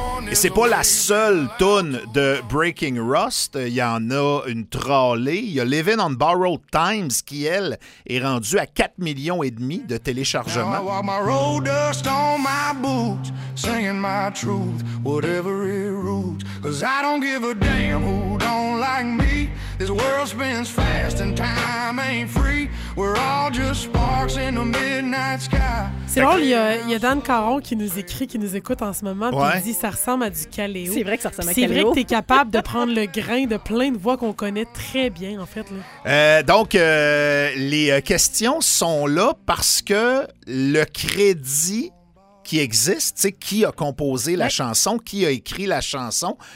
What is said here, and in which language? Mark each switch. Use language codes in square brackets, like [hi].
[fr] Et c'est pas la seule toune de Breaking Rust. Il y en a une trollée. Il y a Living on Borrowed Times qui, elle, est rendue à 4,5 millions de téléchargements. [en] Now I walk my road dust on my boots, singing my truth, whatever it roots. Cause I don't give a damn who don't like me. This world spins fast and time ain't free. We're all just sparks in the midnight sky. [fr] C'est drôle, il y a Dan Caron qui nous écrit, qui nous écoute en ce moment, puis ouais. Il dit ça ressemble à du Caléo. C'est vrai que ça ressemble c'est à Caléo. C'est vrai que t'es capable de prendre le grain de plein de voix qu'on connaît très bien, en fait. Là. Donc, les questions sont là parce que le crédit qui existe, tu sais, qui a composé la chanson, qui a écrit la chanson.